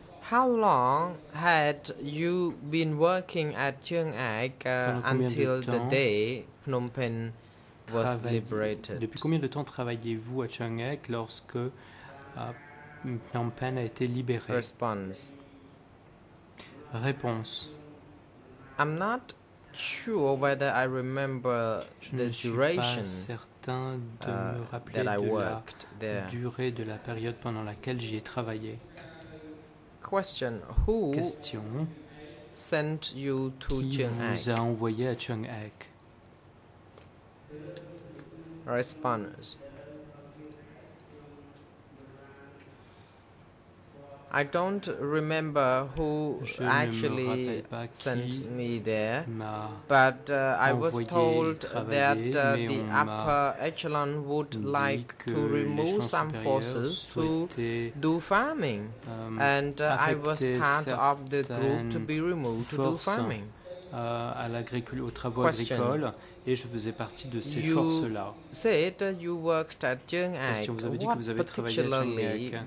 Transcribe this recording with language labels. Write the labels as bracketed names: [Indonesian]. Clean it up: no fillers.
[English] How long had you been working at Chung Ek until the day Phnom Penh was liberated? [French] Depuis combien de temps travailliez-vous à Chung Ek lorsque Phnom Penh a été libéré? [English] Response. [French] Réponse. [English] I'm not sure whether I remember the duration that I worked there. [French] Durée de la période pendant laquelle j'y ai travaillé. [English] Question: who sent you to Chuun? [French] Qui vous a envoyé à Chuun Ek? [English] Response: I don't remember who actually sent me there, but I was told that the upper echelon would like to remove some forces to do farming, and I was part of the group to be removed to do farming. [French] À l'agriculture, aux travaux agricoles, et je faisais partie de ces forces-là. [English] Said you worked at Chuun Ek. [French] Question, vous avez dit que vous avez travaillé à Chuun Ek.